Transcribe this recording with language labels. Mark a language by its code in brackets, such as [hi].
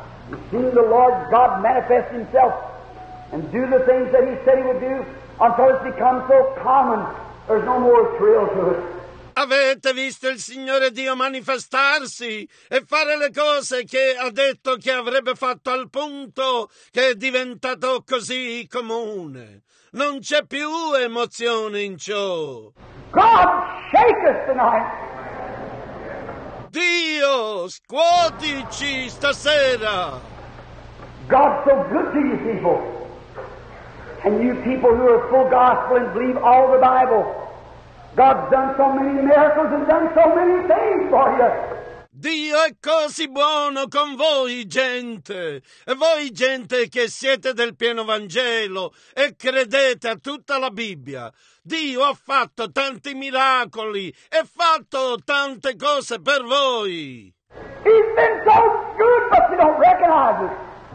[en] You've seen the Lord God manifest himself and do the things that he said he would do until it's become so common there's no more thrill to it. [it] Avete visto il Signore Dio manifestarsi e fare le cose che ha detto che avrebbe fatto al punto che è diventato così comune. Non c'è più emozione in ciò. [en] God shakes tonight. [it] Dio, scuotici stasera. [en] God's so good to you people. And you people who are full gospel and believe all the Bible. God's done so many miracles and done so many things for you. [it] Dio è così buono con voi, gente. E voi, gente, che siete del pieno Vangelo e credete a tutta la Bibbia. Dio ha fatto tanti miracoli e fatto tante cose per voi. [en] He's been so good, but you don't recognize it.